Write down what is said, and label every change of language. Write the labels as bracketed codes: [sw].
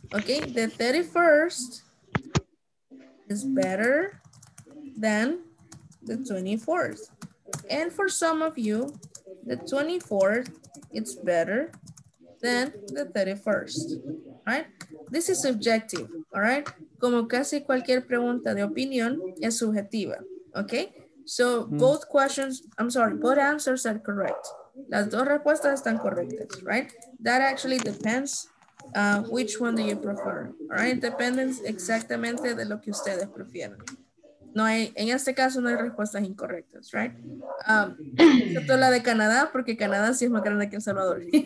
[en] Okay, the 31st is better than the 24th. And for some of you, the 24th is better than the 31st. right? This is subjective, all right? [es] Como casi cualquier pregunta de opinión es subjetiva, okay? [en] So both questions, I'm sorry, both answers are correct. [es] Las dos respuestas están correctas, [en] right? That actually depends which one do you prefer, all right? [es] Depends exactamente de lo que ustedes prefieren. No hay, en este caso no hay respuestas incorrectas, right? Excepto la de Canadá, porque Canadá sí es más grande que El Salvador.